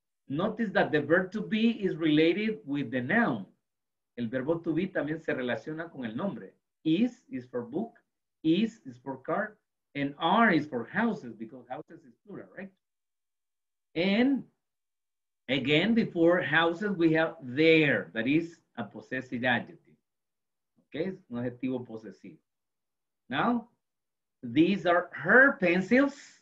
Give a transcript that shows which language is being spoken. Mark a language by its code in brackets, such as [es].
[en] Notice that the verb to be is related with the noun. [es] El verbo to be también se relaciona con el nombre. [en] Is for book, is for car, and are is for houses, because houses is plural, right? And again, before houses, we have their, that is a possessive adjective. Okay, [es] un adjetivo possessive. [en] Now, these are her pencils.